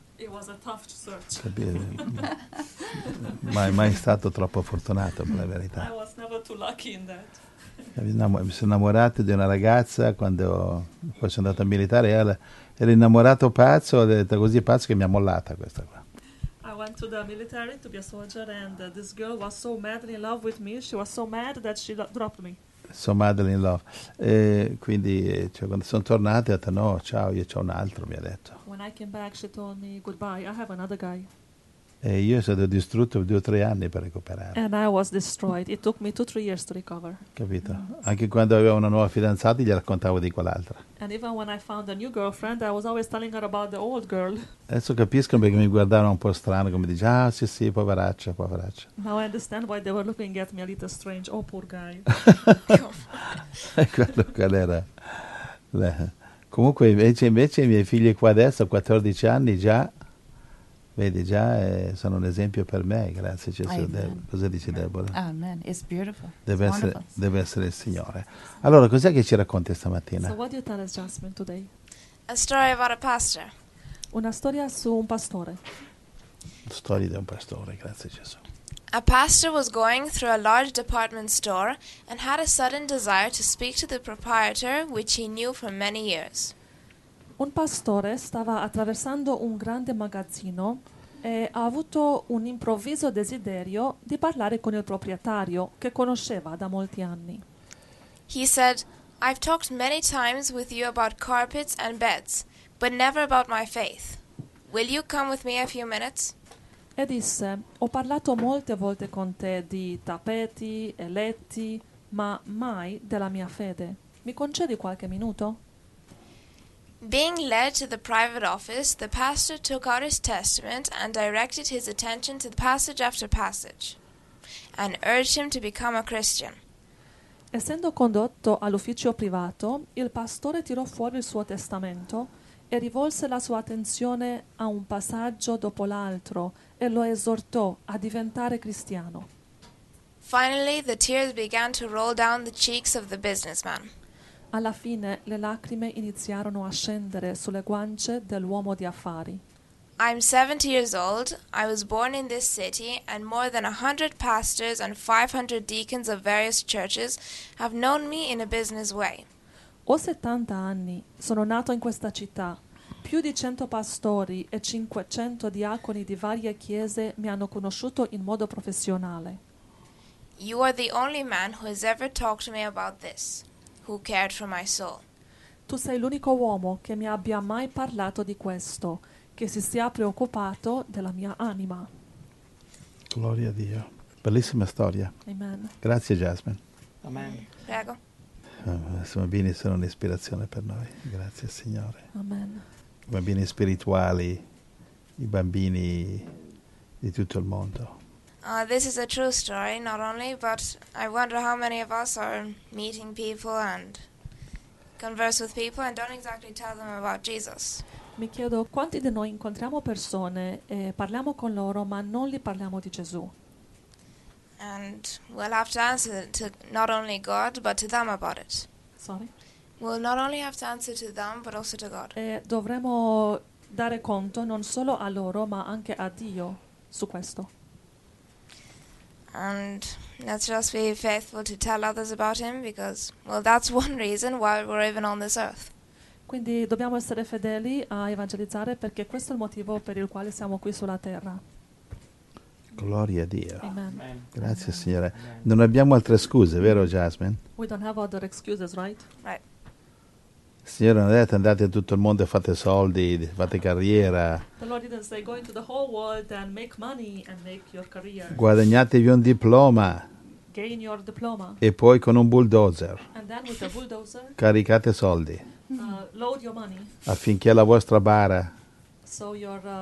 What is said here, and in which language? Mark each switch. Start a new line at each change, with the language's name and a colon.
English: It was a tough search.
Italian: Capito? mai stato troppo fortunato, per la verità.
English: I was never too lucky in that.
Italian: Mi sono innamorato di una ragazza quando poi sono andato a militare, era innamorato pazzo, ho detto così pazzo che mi ha mollata questa qua.
English: I went to the military to be a soldier and this girl was so madly in love with me, she was so mad that she dropped me. So madly in love.
Italian: E quindi cioè, quando sono tornato ho detto no, ciao, io c'ho un altro, mi ha detto.
English: When I came back she told me goodbye, I have another guy.
Italian: E io sono stato distrutto 2 o 3 anni per recuperare.
English: And I was destroyed. It took me 2 o 3 years to recover.
Italian: Capito? Mm-hmm. Anche quando avevo una nuova fidanzata gli raccontavo di quell'altra.
English: And even when I found a new girlfriend, I was always telling her about the old girl.
Italian: Adesso capisco perché mi guardavano un po' strano, come dice, ah sì sì, poveraccia, poveraccia.
English: Now I understand why they were looking at me a little strange. Oh, poor guy.
Italian: qual era? Comunque invece i miei figli qua adesso, 14 anni già. Vedi, già sono un esempio per me, grazie Gesù. Cosa dici, Deborah?
English: Amen, it's beautiful.
Italian: Deve essere il Signore. Allora, cos'è che ci racconti stamattina?
English: So what do you tell us, Jasmine, today? A story about a pastor.
Italian: Una storia su un pastore. Storia di un pastore, grazie Gesù.
English: A pastor was going through a large department store and had a sudden desire to speak to the proprietor, which he knew for many years.
Italian: Un pastore stava attraversando un grande magazzino e ha avuto un improvviso desiderio di parlare con il proprietario, che conosceva da molti anni.
English: He said, I've talked many times with you about carpets and beds, but never about my faith. Will you come with me a few minutes?
Italian: e disse: ho parlato molte volte con te di tappeti e letti, ma mai della mia fede. Mi concedi qualche minuto?
English: Being led to the private office, the pastor took out his testament and directed his attention to the passage after passage, and urged him to become a Christian.
Italian: Essendo condotto all'ufficio privato, il pastore tirò fuori il suo testamento e rivolse la sua attenzione a un passaggio dopo l'altro e lo esortò a diventare cristiano.
English: Finally, the tears began to roll down the cheeks of the businessman.
Italian: Alla fine, le lacrime iniziarono a scendere sulle guance dell'uomo di affari.
English: I'm 70 years old, I was born in this city, and more than 100 pastors and 500 deacons of various churches have known me in a business way.
Italian: Ho 70 anni, sono nato in questa città. Più di 100 pastori e 500 diaconi di varie chiese mi hanno conosciuto in modo professionale.
English: You are the only man who has ever talked to me about this, who cared for my soul.
Italian: Tu sei l'unico uomo che mi abbia mai parlato di questo, che si sia preoccupato della mia anima. Gloria a Dio. Bellissima storia. Amen. Grazie Jasmine. Amen. Prego. I bambini sono un'ispirazione per noi. Grazie Signore. Amen. I bambini spirituali, i bambini di tutto il mondo.
English: This is a true story, not only, but I wonder how many of us are meeting people and converse with people and don't exactly tell them about Jesus.
Italian: Mi chiedo quanti di noi incontriamo persone e parliamo con loro, ma non gli parliamo di Gesù.
English: And we'll have to answer to not only God, but to them about it. Sorry? We'll not only have to answer to them, but also to God.
Italian: E dovremo dare conto non solo a loro, ma anche a Dio su questo.
English: And let's just be faithful to tell others about him, because, well, that's one reason why we're even on this earth.
Italian: Quindi dobbiamo essere fedeli a evangelizzare, perché questo è il motivo per il quale siamo qui sulla terra. Gloria a Dio. Amen. Amen. Grazie, Amen. Signore. Amen. Non abbiamo altre scuse, vero Jasmine?
English: We don't have other excuses, right? Right.
Italian: Signore, non detto andate a tutto il mondo e fate soldi, fate carriera.
English: The Lord didn't say go into the whole world and make money and make your career.
Italian: Guadagnatevi un diploma.
English: Gain your diploma.
Italian: E poi con un bulldozer.
English: And then with a bulldozer.
Italian: Caricate soldi.
English: Load your money.
Italian: Affinché la vostra bara,
English: so your